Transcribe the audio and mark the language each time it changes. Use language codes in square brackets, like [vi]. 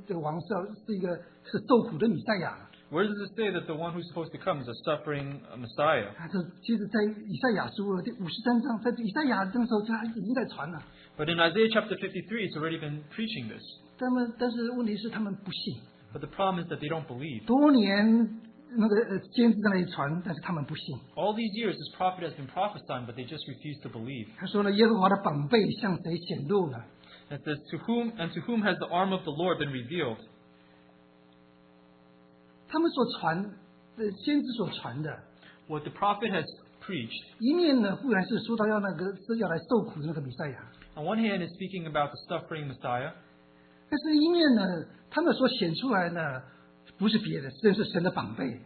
[zh] 那么，哪里说到这个要来的这个王是一个是受苦的弥赛亚？ [en] Where does it say that the one who's supposed to come is a suffering Messiah? [zh] 其实在以赛亚书53章，在以赛亚那时候他已经在传了。 [en] But in Isaiah chapter 53, it's already been preaching this. [zh] 但是问题是他们不信。 [en] But the problem is that they don't believe. [zh] 多年那个先知在那里传，但是他们不信。 [en] All these years, this prophet has been prophesying, but they just refuse to believe. [zh] 他说呢，耶和华的膀臂向谁显露了？ [en] It says, to whom has the arm of the Lord been revealed? [zh] 他们所传，先知所传的。 [en] What the prophet has preached. [zh] 一面呢，固然是说到要那个是要来受苦的那个弥赛亚。 [en] On one hand, it's speaking about the suffering Messiah. [zh] 但是一面呢，他们所显出来呢，不是别的，这是神的膀臂。